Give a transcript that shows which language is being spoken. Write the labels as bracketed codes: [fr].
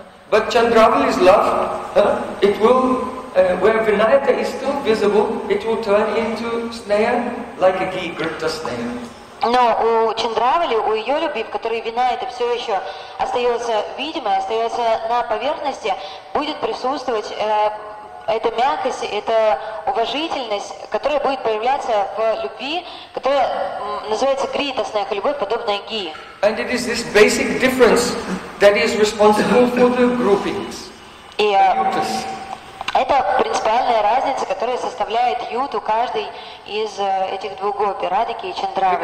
[en] But Chandravali's love, it will, where vinayata is still visible, it will turn into sneha, like a ghee, grita sneha. [ru] Но у Чандравали, у ее любви, в которой вина это все еще остается видимой, остается на поверхности, будет присутствовать эта мягкость, это уважительность, которая будет проявляться в любви, которая называется грита снеха, любовь подобная ги. [en] And it is this basic difference that is responsible for the groupings. [ru] И это принципиальная разница, которая составляет юту каждой из этих двух гопи, Радхики и Чандравы.